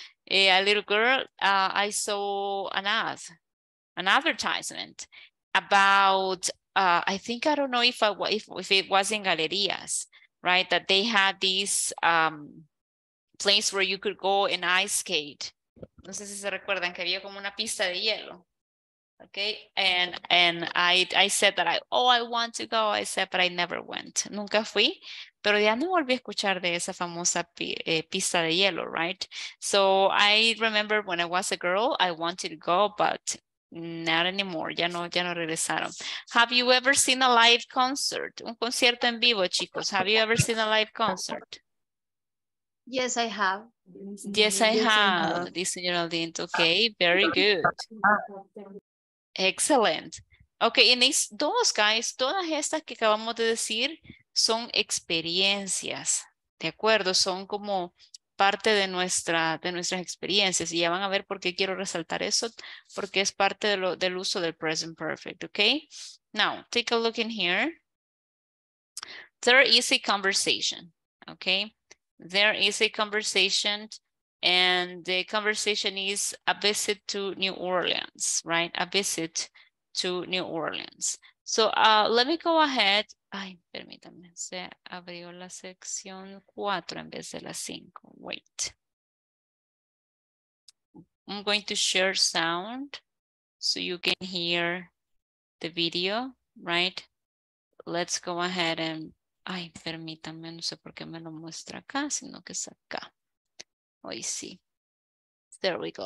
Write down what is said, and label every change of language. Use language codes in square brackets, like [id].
[en] A little girl, I saw an advertisement about, I think, I don't know if it was in Galerias, right? That they had this place where you could go and ice skate. [es] No sé si se recuerdan que había como una pista de hielo. [en] Okay, and I said that I want to go, I said, but I never went. [es] Nunca fui, pero ya no volví a escuchar de esa famosa pista de hielo, right? [en] So I remember when I was a girl, I wanted to go, but not anymore. [es] Ya no regresaron. [en] Have you ever seen a live concert? [es] Un concierto en vivo, chicos. [en] Have you ever seen a live concert? Yes, I have. Yes, I have. This señor Aldint. Okay, very good. Excellent. [es] Okay, en these dos, guys, todas estas que acabamos de decir son experiencias, ¿de acuerdo? Son como parte de nuestras experiencias. Y ya van a ver por qué quiero resaltar eso, porque es parte del uso del present perfect, okay? [en] Now, take a look in here. There is a conversation, okay? There is a conversation. And the conversation is a visit to New Orleans, right? A visit to New Orleans. So let me go ahead. [es] Ay, permítanme, se abrió la sección 4 en vez de la 5. [en] Wait. I'm going to share sound so you can hear the video, right? Let's go ahead and, [es] ay, permítanme, no sé por qué me lo muestra acá, sino que es acá. [en] Oh, you see. There we go.